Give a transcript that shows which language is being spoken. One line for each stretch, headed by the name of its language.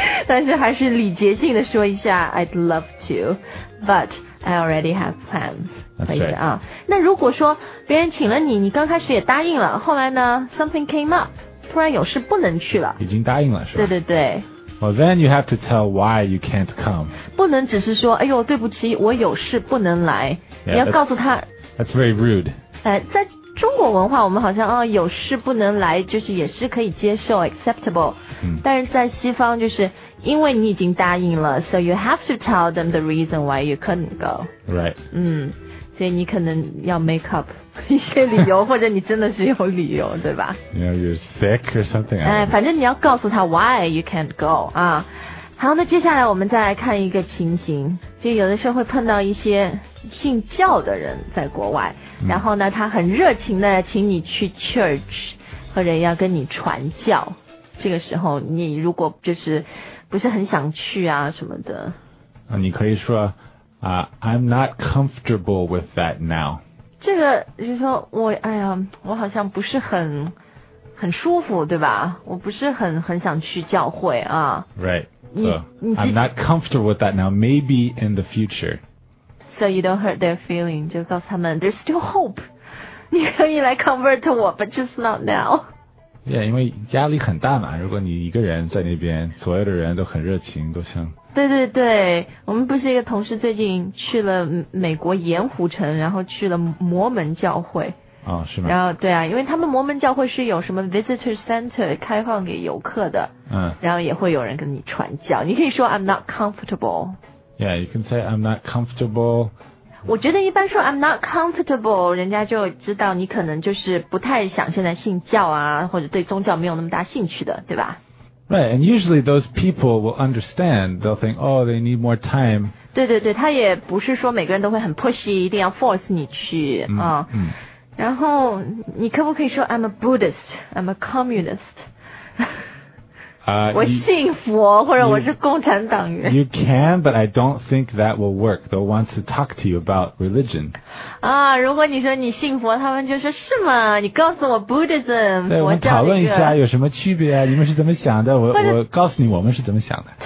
Chinese: 但是还是礼节性的说一下
English: I'd love to, but I already have plans. That's right.
Chinese: 啊，那如果说别人请了你，你刚开始也答应了，后来呢
English: something came up.
Chinese: 突然有事不能去了，已经答应了是吧？对对对。
English: Well, then you have to tell why you can't come.
Chinese: 不能只是说，哎呦，对不起，我有事不能来。
English: Yeah,
Chinese: 你要告诉他。
English: That's very rude.
Chinese: 在中国文化，我们好像有事不能来，就是也是可以接受 acceptable.、嗯、但是在西方，就是因为你已经答应了
English: ，so you have to tell them the reason why you couldn't go. Right.
Chinese: 嗯，所以你可能要
English: make up.
Chinese: 一些理由，或者你真的是有理由，对吧？
English: You know, you're sick or something.
Chinese: 哎，反正你要告诉他
English: why you can't go
Chinese: 啊。好，那接下来我们再来看一个情形，就有的时候会碰到一些信教的人在国外，然后呢，他很热情的请你去 church， 或者要跟你传教。这个时候，你如果就是不是很想去啊什么的，啊，你可以说啊、
English: I'm not comfortable with that now.
Chinese: 这个就是说我哎呀我好像不是很舒服对吧，我不是很想去教会啊。
English: Right. So, I'm not comfortable with that now, maybe in the future. So you don't hurt their feeling,
Chinese: 就告诉他们
English: there's still hope.
Chinese: 你可以来
English: convert 我 but just not now.
Chinese: Yeah, 因为压力很大嘛，如果你一个人在那边，所有的人都很热情，都像。对对对，我们不是一个同事最近去了美国盐湖城，然后去了摩门教会。哦，是吗？然后对啊，因为他们摩门教会是有什么 visitor center 开放给游客的。嗯。然后也会有人跟你传教，你可以说
English: I'm not comfortable. Yeah, you can say I'm not comfortable.
Chinese: 我觉得一般说
English: I'm not comfortable，
Chinese: 人家就知道你可能就是不太想现在信教啊，或者对宗教没有那么大兴趣的，对吧？ Right, and usually those people will understand. They'll think, oh, they need more time. 对对对，他也不是说每个人都会很 pushy， 一定要 force 你去啊。嗯。然后你可不可以说
English: I'm a Buddhist, I'm a communist？
Chinese: 我信佛
English: you,
Chinese: 或者我是共产党员。
English: You can, but I don't think that will work. They'll want to talk to you about religion.
Chinese: 啊，如果你说你信佛，他们就说是吗？你告诉我 Buddhism。对，我们讨论一下有什么区别啊？你们是怎么想的？我告诉你，我们是怎么想的。